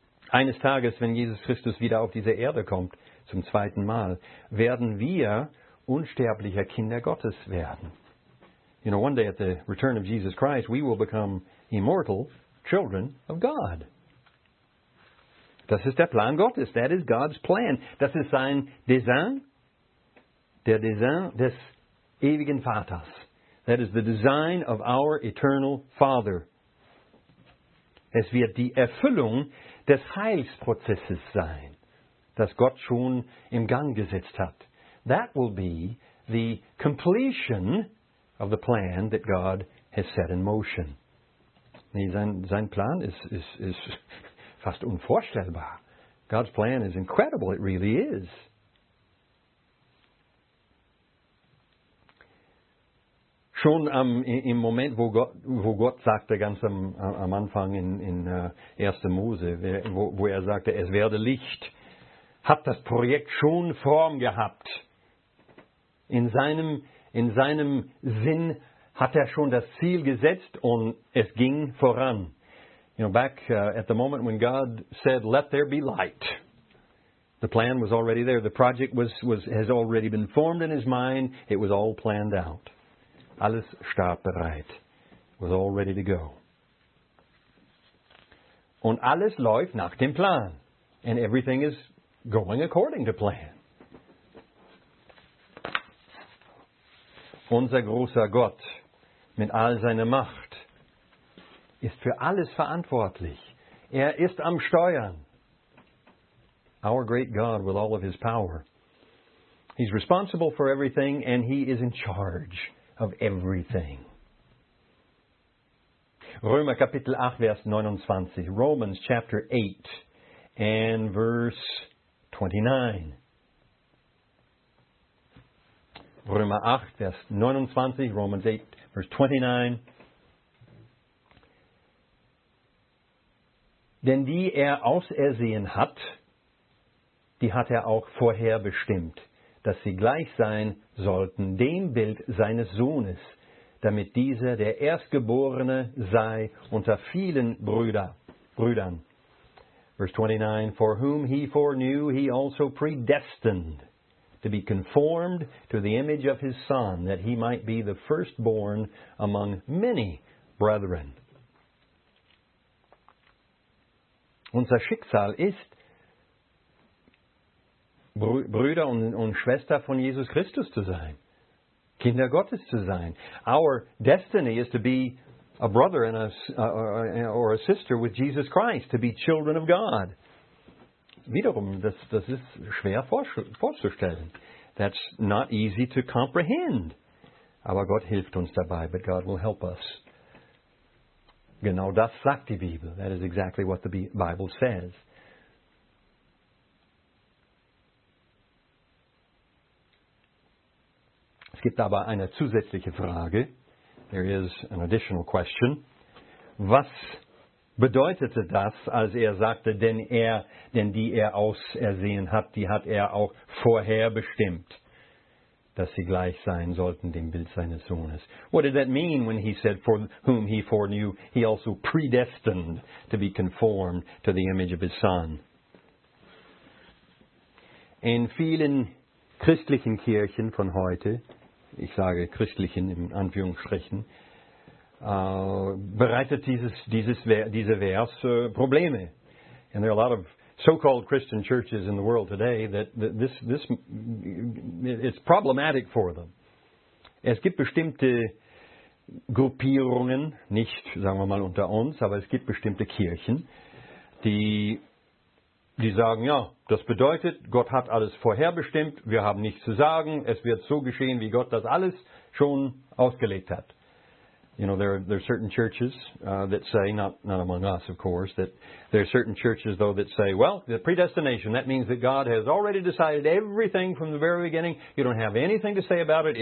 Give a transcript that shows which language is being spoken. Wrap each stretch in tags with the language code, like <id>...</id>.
<de>Eines Tages, wenn Jesus Christus wieder auf diese Erde kommt, zum zweiten Mal, werden wir unsterbliche Kinder Gottes werden.</de> <en>You know, one day at the return of Jesus Christ, we will become immortal children of God.</en> <de>Das ist der Plan Gottes.</de> <en>That is God's plan.</en> <de>Das ist sein Design, der Design des ewigen Vaters.</de> <en>That is the design of our eternal Father.</en> <de>Es wird die Erfüllung des Heilsprozesses sein, das Gott schon im Gang gesetzt hat.</de> <en>That will be the completion of the plan that God has set in motion.</en> <de>Nee, sein Plan ist fast unvorstellbar.</de> <en>God's plan is incredible, it really is.</en> <de>Schon im Moment, wo Gott sagte, ganz am Anfang in 1. Mose, wo er sagte, es werde Licht, hat das Projekt schon Form gehabt. In seinem Sinn hat er schon das Ziel gesetzt und es ging voran.</de> <en>You know, back at the moment when God said, let there be light. The plan was already there. The project has already been formed in his mind. It was all planned out.</en> <de>Alles stand bereit.</de> <en>Was all ready to go.</en> <de>Und alles läuft nach dem Plan.</de> <en>And everything is going according to plan.</en> <de>Unser großer Gott mit all seiner Macht ist für alles verantwortlich. Er ist am Steuern.</de> <en>Our great God with all of his power. He's responsible for everything and he is in charge of everything.</en> <de>Römer Kapitel 8, Vers 29.</de> <en>Romans chapter 8 and verse 29.</en> <de>Römer 8, Vers 29, Romans 8, Vers 29. Denn die er ausersehen hat, die hat er auch vorher bestimmt, dass sie gleich sein sollten dem Bild seines Sohnes, damit dieser der Erstgeborene sei unter vielen Brüdern.</de> <en>Vers 29, for whom he foreknew, he also predestined to be conformed to the image of his son, that he might be the firstborn among many brethren.</en> <de>Unser Schicksal ist, Brüder und Schwester von Jesus Christus zu sein, Kinder Gottes zu sein.</de> <en>Our destiny is to be a brother and or a sister with Jesus Christ, to be children of God.</en> <de>Wiederum, das ist schwer vorzustellen.</de> <en>That's not easy to comprehend.</en> <de>Aber Gott hilft uns dabei,</de> <en>but God will help us.</en> <de>Genau das sagt die Bibel.</de> <en>That is exactly what the Bible says.</en> <de>Es gibt aber eine zusätzliche Frage.</de> <en>There is an additional question.</en> <de>Was bedeutete das, als er sagte, denn die er ausersehen hat, die hat er auch vorher bestimmt, dass sie gleich sein sollten dem Bild seines Sohnes.</de> <en>What did that mean when he said, for whom he foreknew, he also predestined to be conformed to the image of his son?</en> <de>In vielen christlichen Kirchen von heute, ich sage christlichen in Anführungsstrichen, bereitet diese Vers Probleme.</de> <en>And there are a lot of so-called Christian churches in the world today that this it's problematic for them. Es gibt bestimmte Gruppierungen, nicht, sagen wir mal, unter uns, aber es gibt bestimmte Kirchen, die sagen, ja, das bedeutet, Gott hat alles vorherbestimmt, wir haben nichts zu sagen, es wird so geschehen, wie Gott das alles schon ausgelegt hat. You know, there are certain churches that say, not among us, of course, that there are certain churches, though, that say, well, the predestination, that means that God has already decided everything from the very beginning. You don't have anything to say about it.</en>